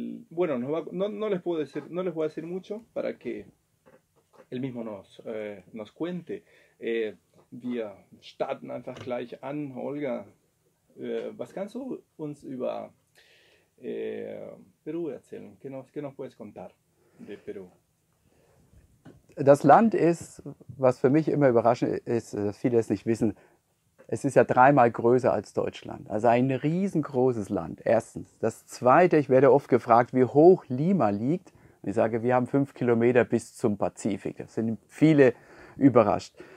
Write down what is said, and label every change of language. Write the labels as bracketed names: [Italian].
[Spanish] Bueno, no les voy a decir mucho para que él mismo nos cuente. [German] Wir starten einfach gleich an, Olga. Was kannst du uns über Peru erzählen? [Spanish] ¿Qué nos puedes contar de Peru? [German] Das Land ist, was für mich immer überraschend ist, dass viele es nicht wissen, es ist ja dreimal größer als Deutschland. Also ein riesengroßes Land, erstens. Das zweite, ich werde oft gefragt, wie hoch Lima liegt. Und ich sage, wir haben 5 Kilometer bis zum Pazifik. Da sind viele überrascht.